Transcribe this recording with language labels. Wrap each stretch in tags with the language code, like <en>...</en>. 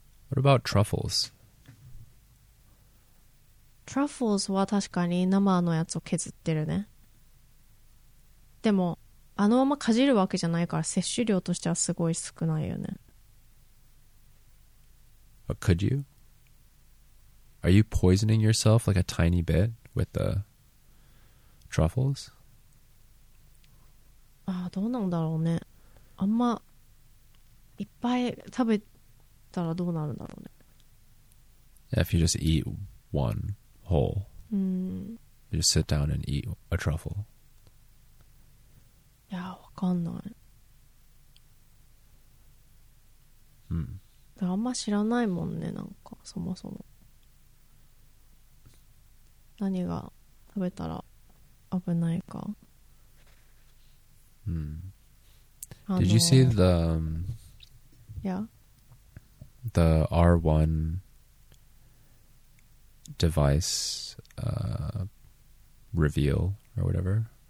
<en>What about truffles?</en> <ja>Truffles は確かに生のやつを削ってるね。でもあのままかじるわけじゃないから摂取量としてはすごい少ないよね。</ja> <en>But could you? Are you poisoning yourself like a tiny bit? With the truffles?</en> <ja>ああ、どうなんだろうね。あんまいっぱい食べたらどうなるんだろうね。</ja> <en>If you just eat one whole, you just sit down and eat a truffle.</en> <ja>いや、わかんない。あんま知らないもんね、なんかそもそも。何が食べたら危ないか。</ja> <en>Did you see the the R1 device reveal or whatever?</en>